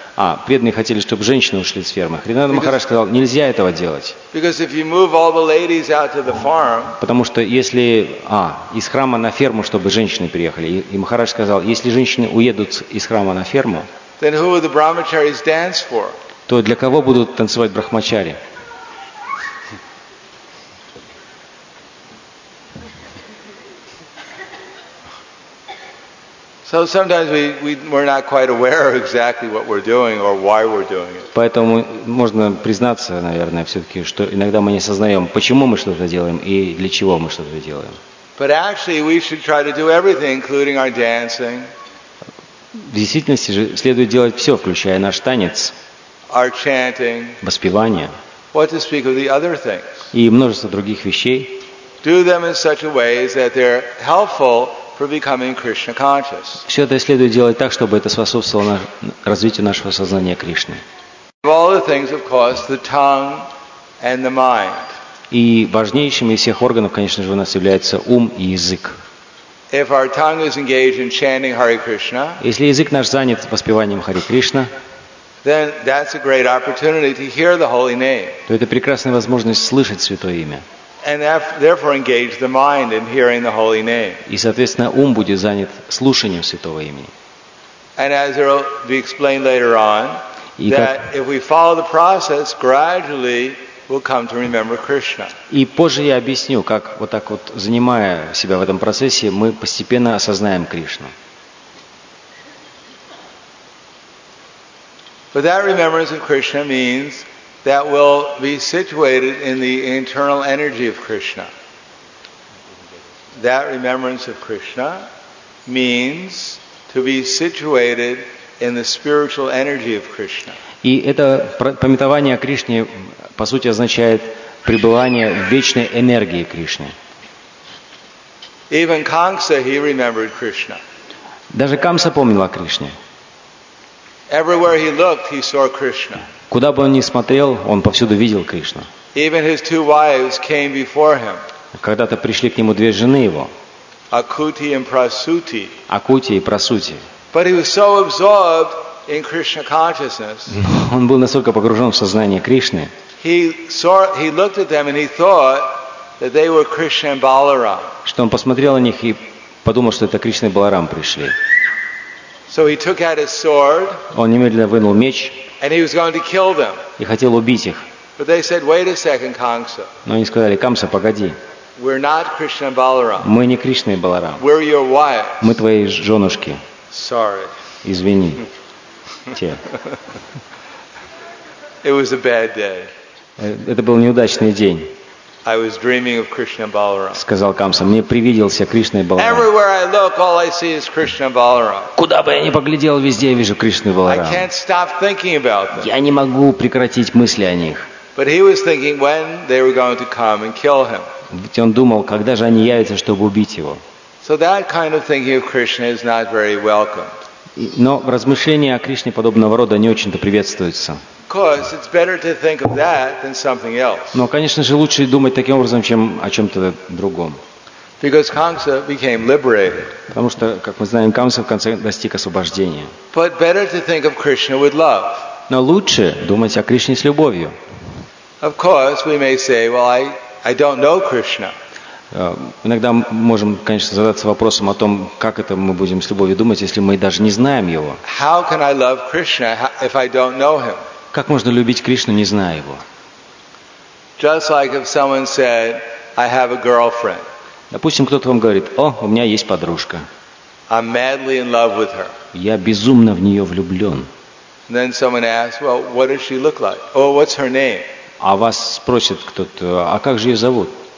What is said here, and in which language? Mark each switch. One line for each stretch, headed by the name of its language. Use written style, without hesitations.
Russian: А, преданные хотели, чтобы женщины ушли с фермы. Хринанда Махарадж сказал, нельзя этого делать. Потому что если... А, из храма на ферму, чтобы женщины приехали. И Махарадж сказал, если женщины уедут из храма на ферму, то для кого будут танцевать брахмачари?
English: So sometimes we're not quite aware exactly what we're doing or why we're doing it.
Russian: Поэтому можно признаться, наверное, все-таки, что иногда мы не осознаем, почему мы что-то делаем и для чего мы что-то делаем.
English: But actually, we should try to do everything, including our dancing.
Russian: В действительности же следует делать все, включая наш танец,
English: our chanting,
Russian: воспевание,
English: what to speak of the other things,
Russian: и множество других вещей.
English: Do them in such a way that they're helpful. For becoming Krishna conscious.
Russian: Все это следует делать так, чтобы это способствовало развитию нашего сознания Кришны.
English: Of all the things, of course, the tongue and the mind.
Russian: И важнейшим из всех органов, конечно же, у нас является ум и язык.
English: If our tongue is engaged in chanting Hare Krishna,
Russian: если язык наш занят воспеванием Хари Кришна,
English: then that's a great opportunity to hear the holy name.
Russian: То это прекрасная возможность слышать святое имя.
English: And therefore engage the mind in hearing the holy name.
Russian: И, соответственно, ум будет занят слушанием святого имени.
English: And as it will be explained later on, that if we follow the process, gradually we'll come to remember Krishna.
Russian: И позже я объясню, как вот так вот занимая себя в этом процессе, мы постепенно осознаем Кришну.
English: But that remembrance of Krishna means that will be situated in the internal energy of Krishna. That remembrance of Krishna means to be situated in the spiritual energy of Krishna.
Russian: И это памятование о Кришне, по сути, означает пребывание в вечной энергии Кришны.
English: Even Kamsa, he remembered Krishna.
Russian: Даже Камса помнил о Кришне.
English: Everywhere he looked, he saw Krishna.
Russian: Куда бы он ни смотрел, он повсюду видел Кришну.
English: Even his two wives came before him.
Russian: Когда-то пришли к нему две жены его. Акути и Прасути. Акути и Прасути.
English: But he was so absorbed in Krishna consciousness.
Russian: Он был настолько погружен в сознание Кришны.
English: He looked at them and he thought that they were Krishna and Balaram.
Russian: Что он посмотрел на них и подумал, что это Кришна и Баларам пришли.
English: So he took out his sword.
Russian: Он немедленно вынул меч.
English: And he was going to kill them.
Russian: И хотел убить их.
English: But they said, "Wait a second, Kamsa."
Russian: Но они сказали: "Камса, погоди."
English: We're not Krishna and Balaram.
Russian: Мы не Кришна и Баларам.
English: We're your wives.
Russian: Мы твои женушки.
English: Sorry.
Russian: Извини.
English: It was a bad day.
Russian: Это был неудачный день.
English: I was dreaming of Krishna and Balaram.
Russian: Сказал Камса, мне привиделся Кришна и Баларам.
English: Everywhere I look, all I see is Krishna and Balaram.
Russian: Куда бы я ни поглядел, везде я вижу Кришну и Баларам.
English: I can't stop thinking about them.
Russian: Я не могу прекратить мысли о них.
English: But he was thinking when they were going to come and kill him.
Russian: Ведь он думал, когда же они явятся, чтобы убить его.
English: So that kind of thinking of Krishna is not very welcomed.
Russian: Но размышления о Кришне подобного рода не очень-то приветствуются.
English: Because it's better to think of that than something else.
Russian: Но, конечно же, лучше думать таким образом, чем о чем-то другом.
English: Because Kamsa became liberated.
Russian: Потому что, как мы знаем, Камса в конце достиг освобождения.
English: But better to think of Krishna with love.
Russian: Но лучше думать о Кришне с любовью.
English: Of course, we may say, "Well, I don't know Krishna."
Russian: Иногда мы можем, конечно, задаться вопросом о том, как это мы будем с любовью думать, если мы даже не знаем его.
English: How can I love Krishna if I don't know him?
Russian: Как можно любить Кришну, не зная его?
English: Just like if someone said, "I have a girlfriend."
Russian: Допустим, кто-то вам говорит: "О, у меня есть подружка."
English: I'm madly in love with her.
Russian: Я безумно в нее влюблен.
English: And then someone asks, "Well, what does she look like? Oh, what's her name?"
Russian: А вас спросит кто-то: "А как же ее зовут?"